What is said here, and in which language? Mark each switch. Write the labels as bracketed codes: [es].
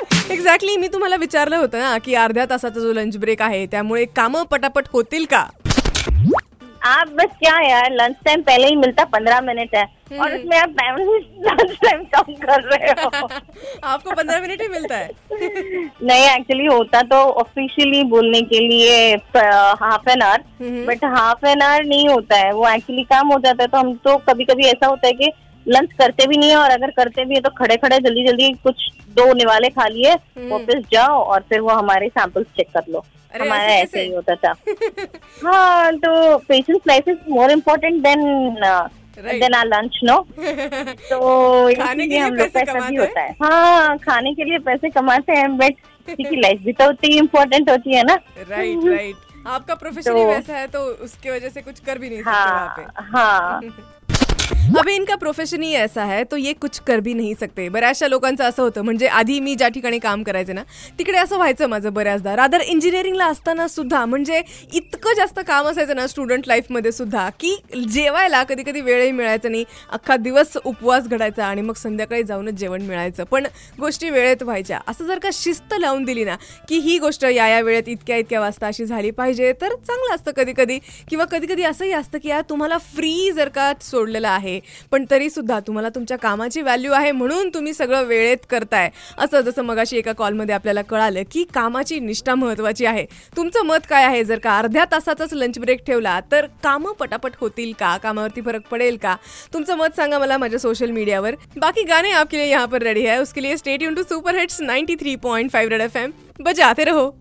[mr] Exactly मी तुम्हाला विचारलं होतं ना की अर्ध्या तासाचा जो लंच ब्रेक आहे त्यामुळे कामं पटापट होतील का? [hi] आप बस क्या यार, लंच टाइम पहले ही मिलता, 15 मिनट है और उसमें आप लंच टाइम कम कर रहे हो. आपको 15 मिनट ही मिलता है? नहीं, एक्चुअली होता तो ऑफिशियली बोलने के लिए half an hour, but half an hour नहीं होता है, वो एक्चुअली काम हो जाता है. तो हम तो कभी कभी ऐसा होता है कि लंच करते भी नहीं है, और अगर करते भी है तो खड़े खड़े जल्दी जल्दी कुछ दो निवाले खा लिए, वापस जाओ और फिर वो हमारे सैंपल्स चेक कर लो. हमारा ऐसे ही होता था. हाँ, तो [en] Patients life is more important than our lunch, no? [hi] तो इसीलिए हम लोग पैसा भी होता है. हाँ, खाने के लिए पैसे कमाते हैं, बट क्योंकि लाइफ भी तो उतनी इम्पोर्टेंट होती है ना. राइट, आपका प्रोफेशन वैसा है तो उसके वजह से कुछ कर भी नहीं सकते. हाँ, अभी इनका प्रोफेशन ही ऐसा है तो ये कुछ कर भी नहीं सकते. [mr] बऱ्याचशा लोकांचं असं होतं, म्हणजे आधी मी ज्या ठिकाणी काम करायचे ना तिकडे असं व्हायचं माझं बऱ्याचदा. रादर इंजिनिअरिंगला असताना सुद्धा, म्हणजे इतकं जास्त काम असायचं ना स्टुडंट लाईफमध्ये सुद्धा, की जेवायला कधी कधी वेळही मिळायचं नाही, अख्खा दिवस उपवास घडायचा आणि मग संध्याकाळी जाऊनच जेवण मिळायचं, पण गोष्टी वेळेत व्हायच्या. असं जर का शिस्त लावून दिली ना की ही गोष्ट या या वेळेत इतक्या इतक्या वाजता अशी झाली पाहिजे, तर चांगलं असतं कधी कधी. किंवा कधी कधी असंही असतं की यार तुम्हाला फ्री जर का सोडलेलं आहे पण तरी सुद्धा तुम्हाला तुमच्या कामाची व्हॅल्यू आहे म्हणून तुम्ही सगळं वेळेत करताय, असं जसं मगाशी एका कॉलमध्ये आपल्याला कळालं की कामाची निष्ठा महत्वाची आहे. तुमचं मत काय आहे, जर का अर्ध्या तासाचाच लंच ब्रेक ठेवला तर कामं पटापट होतील का, कामावरती फरक पडेल का? तुमचं मत सांगा मला माझ्या सोशल मीडियावर. [hi] बाकी गाणे आपके लिए यहां पर रेडी है, उसके लिए [en] Stay tune to super hits 93.5 Red FM. [hi] बजाते रहो.